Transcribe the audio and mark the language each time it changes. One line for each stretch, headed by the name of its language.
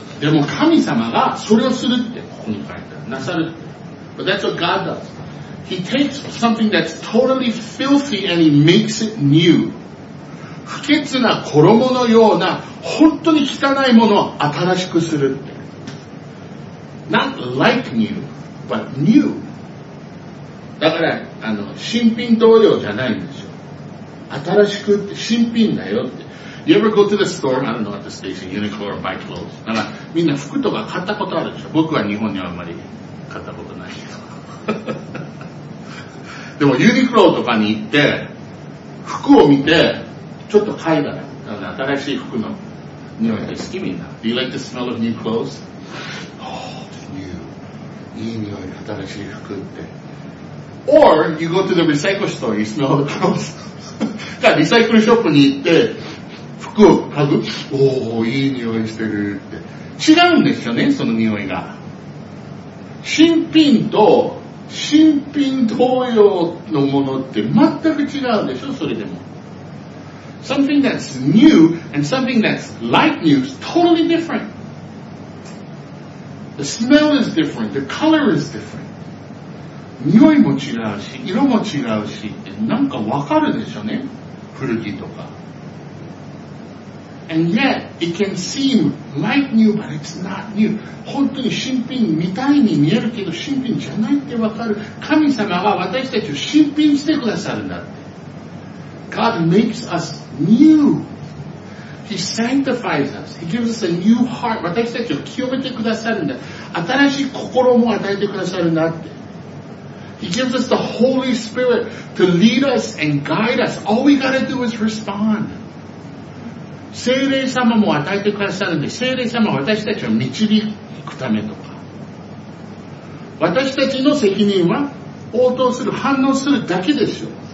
Japanese: でも神様がそれをするってここに書いてあるなさる。
English: But that's what God does. He takes something that's totally filthy and he makes it new.
Japanese: 不潔な衣のような本当に汚いものを新しくするって。
English: Not like new, but new.
Japanese: だから新品同様じゃないんですよ。新しくって新品だよって。
English: You ever go to the store? I don't know at the station, Uniqlo or buy clothes.
Japanese: だからみんな服とか買ったことあるでしょ。僕は日本にはあんまり買ったことないけど。でもユニクロとかに行って服を見てちょっと嗅いだね。だから新しい服の匂いが好きみんな。
English: Do you like the smell of new clothes? Oh, new.
Japanese: いい匂い、新しい服って。
English: Or you go to the recycle store, you smell the clothes.
Japanese: だからリサイクルショップに行って服を嗅ぐ。おお、いい匂いしてるって。違うんですよね、その匂いが。新品と新品同様のものって全く違うでしょ、それでも。
English: Something that's new and something that's like new is totally different. The smell is different. The color is different.
Japanese: 匂いも違うし、色も違うしって、なんかわかるでしょうね。古着とか。
English: And yet, it can seem like new, but it's not new.
Japanese: 本当に新品みたいに見えるけど、新品じゃないってわかる。神様は私たちを新品してくださるんだって。
English: God makes us new. He sanctifies us. He gives us a new heart.
Japanese: 私たちを清めてくださるんだ。新しい心も与えてくださるんだって。
English: He gives us the Holy Spirit to lead us and guide us. All we gotta do is respond.
Japanese: 聖霊様も与えてくださるんで、聖霊様は私たちを導くためとか。私たちの責任は応答する、反応するだけですよ。